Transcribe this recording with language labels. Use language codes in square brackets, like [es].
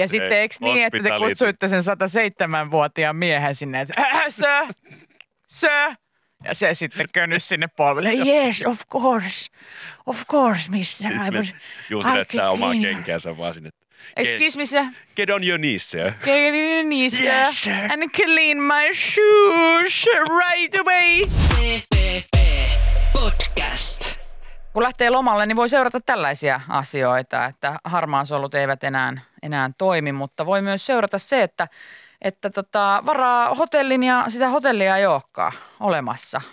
[fi] Ja sitten eikö niin, että te kutsuitte sen 107-vuotiaan miehen sinne, että sö. Ja se sitten könys sinne polville. [en] Yes, of course. Of course, mister. Juuse näyttää omaa kenkäänsä vaan sinne. Excuse me, sir. Get on your knees, sir. Get on your knees, sir. Yes, sir. And clean my shoes right away. [fi] Kun lähtee lomalle, niin voi seurata tällaisia asioita, että harmaansolut eivät enää toimi, mutta voi myös seurata se, että varaa hotellin ja sitä hotellia ei olekaan olemassa.